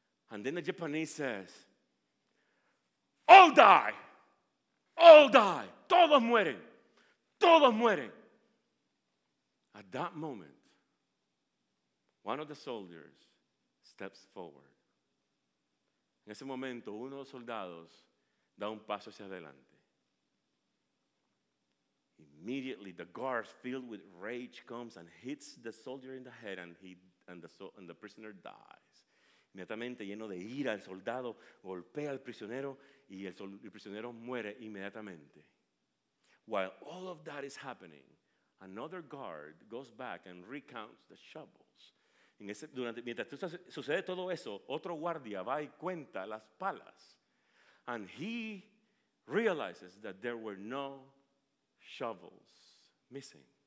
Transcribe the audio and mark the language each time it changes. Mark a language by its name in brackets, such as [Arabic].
[English] And then the Japanese says, all die. All die. [Spanish] Todos mueren. Todos mueren. [English] At that moment, one of the soldiers steps forward. [Spanish] En ese momento, uno de los soldados da un paso hacia adelante. [English] Immediately, the guard, filled with rage, comes and hits the soldier in the head, and the prisoner dies. [Spanish] Inmediatamente, lleno de ira, el soldado golpea al prisionero, y el prisionero muere inmediatamente. [English] While all of that is happening, another guard goes back and recounts the shovel. [Spanish] Mientras sucede todo eso, otro guardia va y cuenta las palas. [English] And he realizes that there were no shovels missing.